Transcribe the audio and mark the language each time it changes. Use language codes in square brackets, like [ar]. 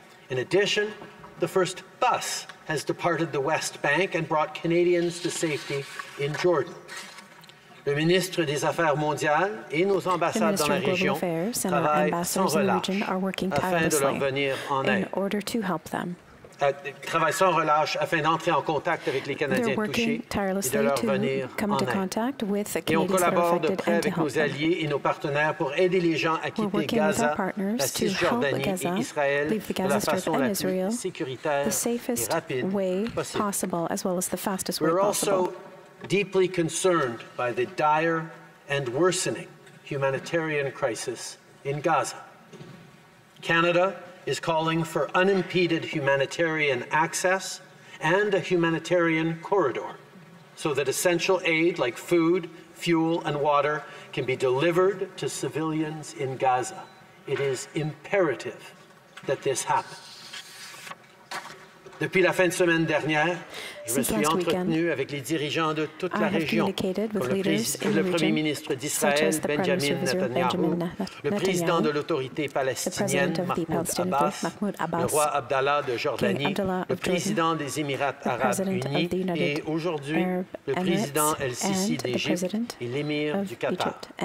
[en] In addition, the first bus has departed the West Bank and brought Canadians to safety in Jordan. [fr] Le ministre des Affaires mondiales et nos ambassades dans la région travaillent sans relâche afin d'entrer en contact avec les Canadiens touchés et de leur venir en aide. Et on collabore de près avec nos alliés et nos partenaires pour aider les gens à quitter Gaza, la Cisjordanie et Israël de la façon la plus sécuritaire et rapide possible. [en] We're also deeply concerned by the dire and worsening humanitarian crisis in Gaza. Canada is calling for unimpeded humanitarian access and a humanitarian corridor so that essential aid like food, fuel, and water can be delivered to civilians in Gaza. It is imperative that this happen. [fr] Depuis la fin de semaine dernière, je me suis entretenu avec les dirigeants de toute la région, le Premier ministre d'Israël, Benjamin Netanyahu, le président de l'autorité palestinienne, Mahmoud Abbas, le roi Abdallah de Jordanie, le président des Émirats arabes unis et aujourd'hui le président El-Sisi d'Égypte et l'émir du Qatar.